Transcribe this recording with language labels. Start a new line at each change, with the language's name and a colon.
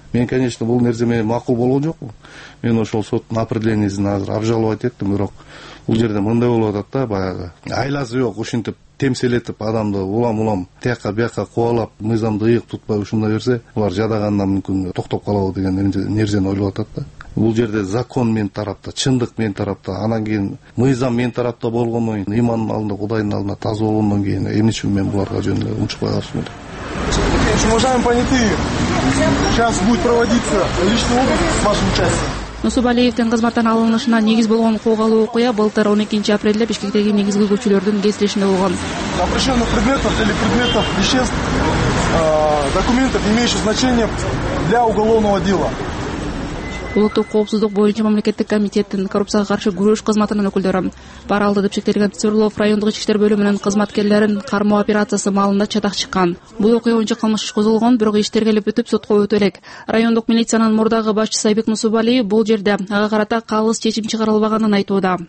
Kyrgyz: Мен конечно бул нерсе менен макул болгон жокмун. Мен ошол соттун определениясын азыр обжаловать эттим, бирок бул жерде мындай болуп атат да, баягы айласы жок ушинтип темселетип адамды улам-улам тияка бияка кубалап, мыйзамды ыйык тутпай ушундай берсе, булар жадагандан мүмкүн токтоп калабы деген нерсени ойлоп атат да. Бул жерде закон мен тарапта, чындык мен тарапта, анан кийин мыйзам мен тарапта болгондон кийин, ыймандын алдында Кудайдын алдында таза болгондон кийин эмне үчүн мен буларга жөн эле унчукпай калышым керек?
Russian: Уважаемые понятые, сейчас будет проводиться личный обыск с вашим участием.
Kyrgyz: Мусубалиевдин кызматтан алынышына негиз болгон кок алуу окуя былтыр 12 апрелде Бишкектеги негизги көчөлөрдүн кесилишинде болгон.
Russian: Запрещенных предметов или предметов веществ, документов, имеющих значение для уголовного дела.
Kyrgyz: Улуттук коопсуздук боюнча мамлекеттик комитеттин коррупцияга каршы күрөш кызматынын өкүлдөрү пара алды деп шектелген Свердлов райондук ички иштер бөлүмүнүн кызматкерлерин кармоо операциясы маалында чатак чыккан. Бул окуя боюнча кылмыш иш козголгон, бирок иштер келип бүтүп сотко өтө элек. Райондук милициянын мурдагы башчысы Айбек Мусубалиев бул жерде ага карата калыс чечим чыгарылбаганын айтууда.